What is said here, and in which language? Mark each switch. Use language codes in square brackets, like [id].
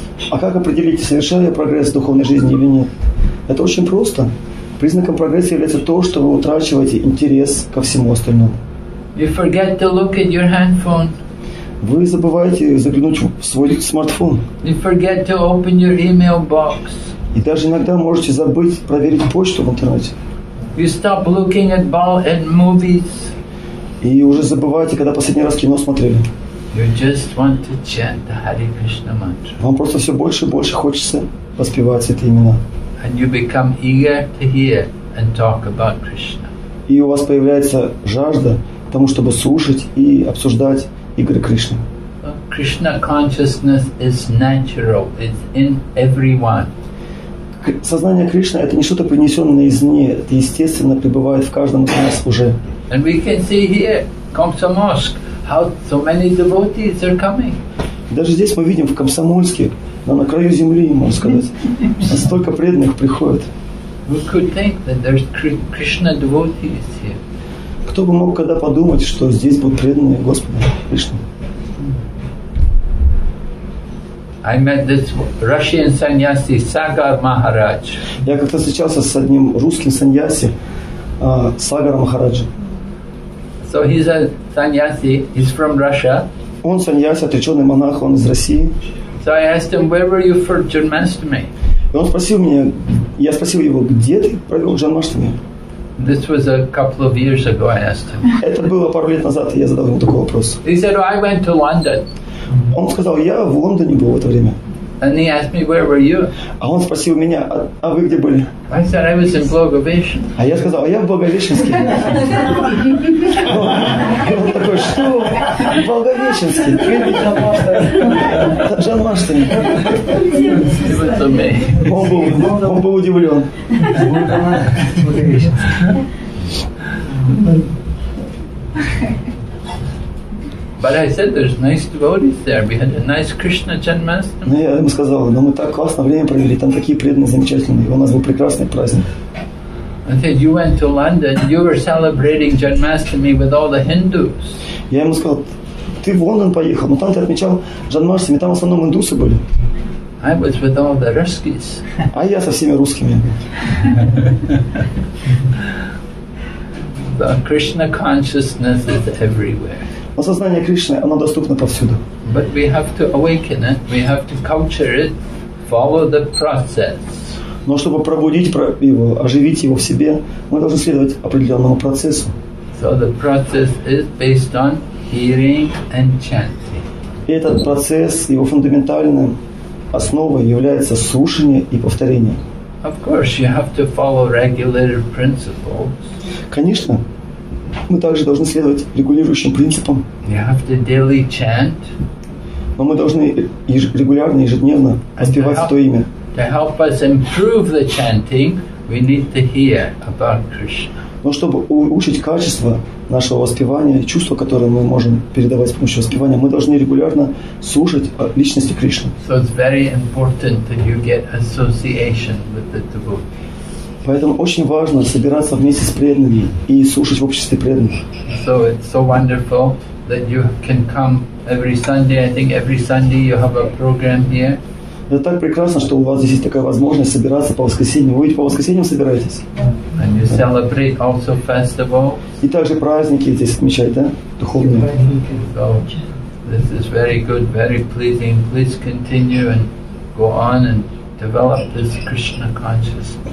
[ru] А как определить, совершаю я прогресс в духовной жизни или нет? Это очень просто. Признаком прогресса является то, что вы утрачиваете интерес ко всему остальному. [en] You forget to look at your handphone. [ru] Вы забываете заглянуть в свой смартфон. [en] You forget to open your email box. [ru] И даже иногда можете забыть проверить почту в интернете. [en] You stop looking at ball and movies. [ru] И уже забываете, когда последний раз кино смотрели. [en] You just want to chant the Hare Krishna mantra. [ru] Вам просто все больше и больше хочется воспевать эти имена. [en] And you become eager to hear and talk about Krishna. [ru] И у вас появляется жажда тому, чтобы слушать и обсуждать игры Кришны. [en] Krishna consciousness is natural. It's in everyone. [ru] Сознание Кришны — это не что-то принесенное извне. Это естественно пребывает в каждом из нас уже. [en] And we can see here, Komsa Mosque, how so many devotees are coming. [ru] Даже здесь мы видим в Комсомольске, на краю земли, можно сказать, столько преданных приходит. [en] Who could think that there's Krishna devotees here? [ru] Кто бы мог когда подумать, что здесь будут преданные Господу Кришне? [en] I met this Russian sannyasi Sagar Maharaj. [ru] Я как-то встречался с одним русским сannyasi Сагаром Махараджем. [en] So he's a sannyasi. He's from Russia. [ru] Он сannyasi, отреченный монах, он из России. [en] So I asked him, where were you for Janmashtami? [ru] И он спросил меня, я спросил его, где ты провел Джанмаштами? [en] This was a couple of years ago. I asked him. [ru] Это было пару лет назад, и я задал ему такой вопрос. [en] He said, oh, I went to London. [ru] Он сказал, я в Лондоне был в это время. [en] And he asked me, where were you? [ru] А он спросил меня, а вы где были? [en] I said, I was in Благовещен. [ru] А я сказал, а я в Благовещенске. И он такой, что? В Благовещенске? Джанмаштами. Он был удивлен. [en] But I said, there's nice devotees there. We had a nice Krishna Janmashtami. [ru] Я ему сказал, мы так классно время провели, там такие преданные, замечательные. У нас был прекрасный праздник. [en] I said, you went to London, you were celebrating Janmashtami with all the Hindus. [ru] Я ему сказал, ты в Лондон поехал, но там ты отмечал Джанмаштами, там в основном индусы были. [en] I was with all the Ruskies. [ru] А я со всеми русскими. [en] The Krishna consciousness is everywhere. [ru] Но сознание Кришны, оно доступно повсюду. [en] But we have to awaken it, we have to culture it, follow the process. [ru] Но чтобы пробудить его, оживить его в себе, мы должны следовать определенному процессу. [en] So the process is based on hearing and chanting. [ru] Этот процесс, его фундаментальной основой является слушание и повторение. [en] Of course, you have to follow regular principles. [ru] Конечно, мы также должны следовать регулирующим принципам. [en] You have to daily chant. [ru] Но мы должны регулярно, ежедневно воспевать то имя. [en] To help us improve the chanting, we need to hear about Krishna. [ru] Но чтобы улучшить качество нашего воспевания, чувство, которое мы можем передавать с помощью воспевания, мы должны регулярно слушать о личности Кришны. [en] So it's very important that you get association with the devotees. [ru] Поэтому очень важно собираться вместе с преданными и слушать в обществе преданных. [en] So it's so wonderful that you can come every Sunday. I think every Sunday you have a program here. [ru] Это так прекрасно, что у вас здесь есть такая возможность собираться по воскресеньям. Вы ведь по воскресеньям собираетесь? [en] And you celebrate also festivals. [ru] И также праздники здесь отмечают, да? Духовные. [en] So, this is very good, very pleasing. Please continue and go on and develop this Krishna consciousness.